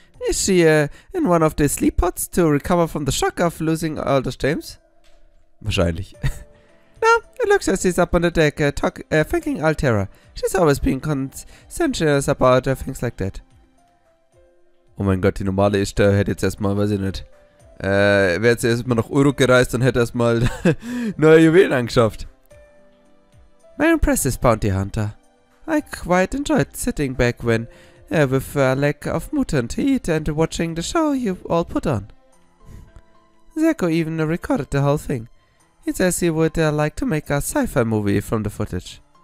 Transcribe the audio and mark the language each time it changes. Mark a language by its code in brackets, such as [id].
[en] Is she in one of the sleep pods to recover from the shock of losing all those gems? [de] Wahrscheinlich. [en] No, it looks like she's up on the deck thanking Altera. She's always being conscientious about things like that. [de] Oh mein Gott, die normale Ishtar hätte jetzt erstmal, weiß ich nicht. Wäre jetzt erstmal nach Uruk gereist und hätte erstmal neue Juwelen angeschafft. [en] My impressive Bounty Hunter. I quite enjoyed sitting back when, with a lack of mutant heat and watching the show you all put on. Zeko even recorded the whole thing. He says he would like to make a sci-fi movie from the footage.